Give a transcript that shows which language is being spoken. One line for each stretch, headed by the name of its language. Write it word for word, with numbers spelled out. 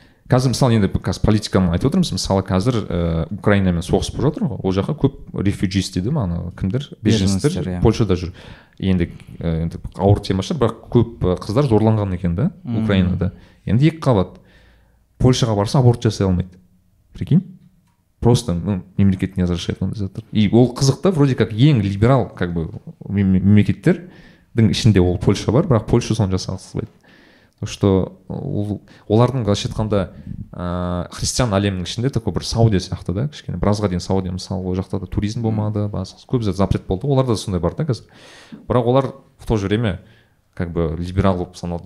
Kazakh: Қазір мысалы енді қазір политиканы айтып отырмыз. Мысалы қазір Украинамен соғыс болып жатыр ғой. Ол жаққа көп рефюджист дейді ма, ана кімдер? Беженцтер Польшада жүр. Енді енді ауыр тема шығар, бірақ көп қыздар зорланған екен да Украинада. Енді екі қабат. Польшаға барса аборт жасай алмайды.
Russian: Прикинь? Просто, ну,
Kazakh: мемлекет
Russian: не разрешает
Kazakh: ондай заттар. И ол қызықта
Russian: вроде как
Kazakh: ең либерал,
Russian: как бы,
Kazakh: мемлекеттердің ішінде ол Польша бар, бірақ Польша соны жасалыспайды. Потому что ол, олардың былайша айтқанда ыыы христиан әлемінің ішінде такой бір Саудия сияқты да, кішкене біразға дейін Саудия мысалы ол жақта да туризм болмады, басқа көп запрет болды. Оларда да сондай бар да қазір. Бірақ олар
Russian: в то же время как бы
Kazakh: либерал болып саналады.